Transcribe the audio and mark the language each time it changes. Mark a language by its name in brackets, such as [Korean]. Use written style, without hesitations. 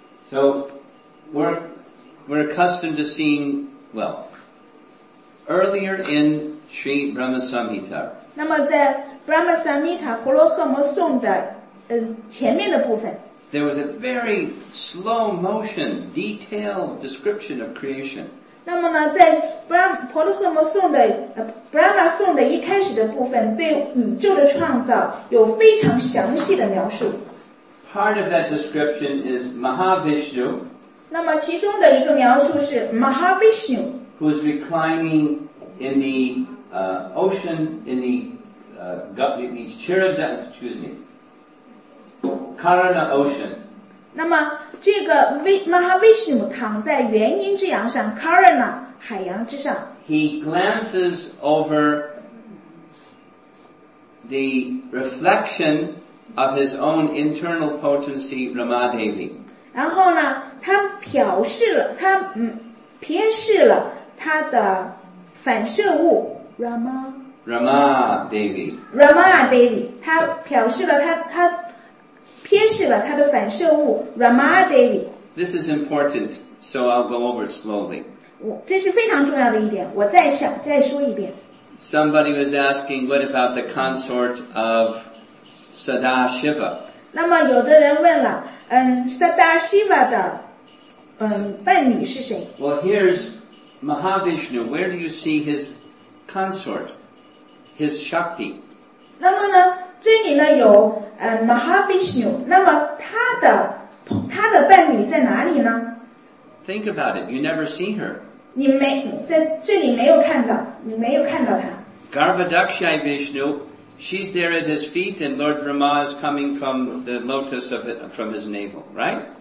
[English] So, we're accustomed to seeing well earlier in. Sri Brahma Samhita. [Chinese] 那么在 Brahma Samhita 婆罗诃摩颂的前面的部分 [English] There was a very slow motion detailed description of creation. [Chinese] 那么呢在 婆罗诃摩颂的 Brahma 颂的一开始的部分对宇宙的创造有非常详细的描述 [English] Part of that description is Mahavishnu. [Chinese] 那么其中的一个描述是 Mahavishnu. [English] Who is recliningin the ocean, in the, the Chirada, excuse me, Karana ocean. [Chinese] 那么这个 Mahavishnu 躺在元音之洋上 Karana 海洋之上 [English] He glances over the reflection of his own internal potency, Ramadevi. [Chinese] 然后呢他瞟视了他瞥视了他的反射物 Rama Devi 他瞟视了他瞥视了他的反射物 Rama Devi [English] This is important so I'll go over it slowly [Chinese] 这是非常重要的一点我再说一遍 [English] Somebody was asking what about the consort of Sadashiva [Chinese] 那么有的人问了Sadashiva 的伴侣是谁 [English] Well here'sMahavishnu, where do you see his consort, his Shakti? [Chinese] 那么呢，这里呢有Mahavishnu, 那么他的伴侣在哪里呢 [English] ？Think about it. You never see her. [Chinese] 你没在这里没有看到，你没有看到他。 [English] Garbhadakshayi Vishnu, she's there at his feet, and Lord Brahma is coming from the lotus of it, from his navel, right?